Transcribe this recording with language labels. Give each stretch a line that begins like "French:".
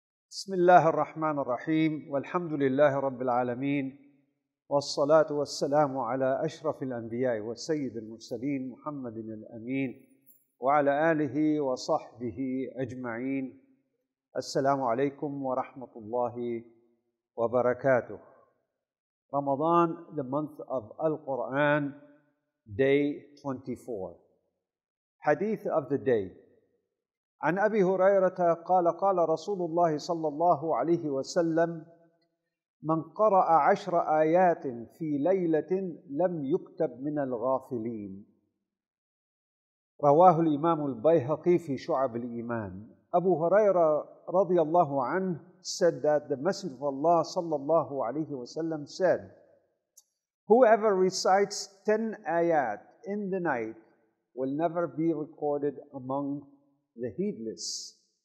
Arabic: بسم الله الرحمن الرحيم والحمد لله رب العالمين والصلاة والسلام على أشرف الأنبياء والسيد المرسلين محمد الأمين وعلى آله وصحبه أجمعين السلام عليكم ورحمة الله وبركاته.
English: رمضان, the month of Al-Quran, day 24. Hadith of the day.
Arabic: عن أبي هريرة قال قال رسول الله صلى الله عليه وسلم من قرأ عشر آيات في ليلة لم يكتب من الغافلين. رواه الإمام البيهقي في شعب الإيمان.
English: أبو هريرة
Arabic: رضي الله عنه
English: said that the Messenger of Allah
Arabic: صلى الله عليه وسلم
English: said, whoever recites 10 آيات in the night will never be recorded among the heedless.